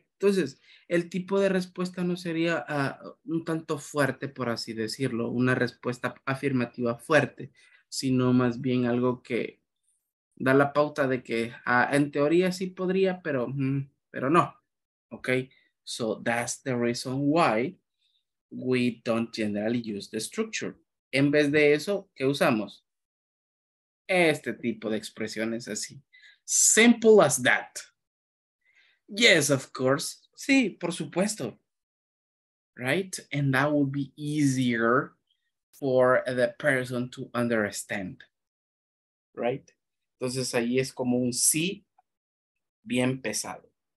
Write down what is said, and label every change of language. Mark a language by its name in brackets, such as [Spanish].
[Spanish] Entonces, el tipo de respuesta no sería un tanto fuerte, por así decirlo, una respuesta afirmativa fuerte, sino más bien algo que da la pauta de que en teoría sí podría, pero no. [English] Okay, so that's the reason why we don't generally use the structure. [Spanish] En vez de eso, ¿qué usamos? Este tipo de expresiones así. [English] Simple as that. Yes, of course. [Spanish] Sí, por supuesto. Right? [English] And that would be easier for the person to understand. Right? [Spanish] Entonces ahí es como un sí bien pesado.